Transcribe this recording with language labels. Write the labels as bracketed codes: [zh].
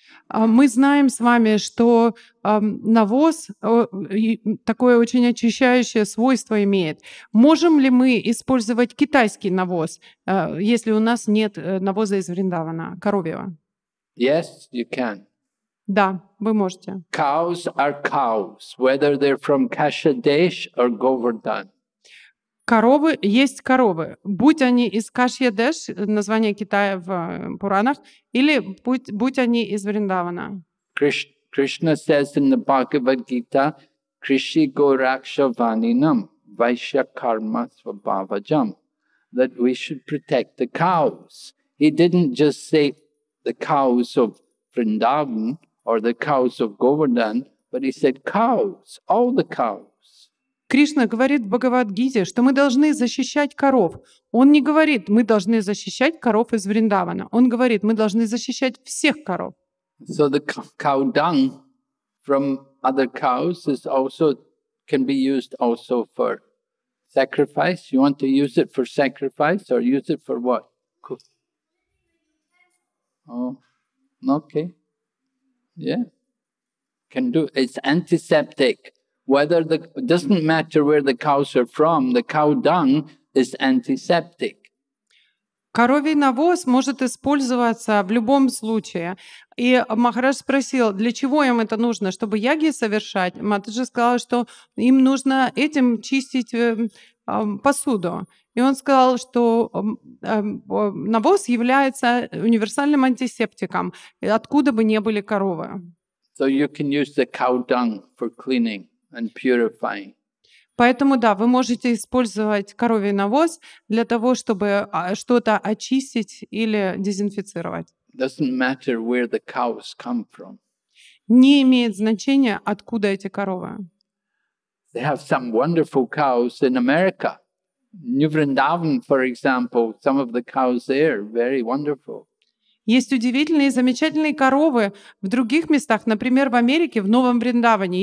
[ru] Мы знаем с вами, что навоз такое очень очищающее свойство имеет. Можем ли мы использовать китайский навоз, если у нас нет навоза из Вриндавана, коровьего? [en] Yes, you can. [ru] Да, вы можете. [en] Cows are cows, whether they're from Kashyadesh or Govardhan. [ru] Коровы есть коровы. Будь они из Кашьядеш, название Китая в Пуранах, или будь они из Вриндавана. [en] Кришна says in the Bhagavad Gita, [sa] Krishi Goraksha Vaninam Vaishya Karma Svabhavajam, [en] that we should protect the cows. He didn't just say the cows of Vrindavan or the cows of Govardhan, but he said cows, all the cows. [ru] Кришна говорит в Бхагавад-гите, что мы должны защищать коров. Он не говорит, мы должны защищать коров из Вриндавана. Он говорит, мы должны защищать всех коров. [en] So the cow dung from other cows is also can be used also for sacrifice. You want to use it for sacrifice or use it for what? Cool. Oh, okay. Yeah. Can do. It's antiseptic. Whether the doesn't matter where the cows are from, the cow dung is antiseptic. [ru] Коровий навоз может использоваться в любом случае. И Махарадж спросил, для чего им это нужно, чтобы яги совершать? Матаджи сказал, что им нужно этим чистить посуду. И он сказал, что навоз является универсальным антисептиком, откуда бы ни были коровы. [en] So you can use the cow dung for cleaning. And purifying. [ru] Поэтому да, вы можете использовать коровий навоз для того, чтобы что-то очистить или дезинфицировать. [en] Doesn't matter where the cows come from. [ru] Не имеет значения, откуда эти коровы. [en] They have some wonderful cows in America. New Vrindavan, for example, some of the cows there very wonderful. [ru] Есть удивительные и замечательные коровы в других местах, например, в Америке, в Новом Вриндаване.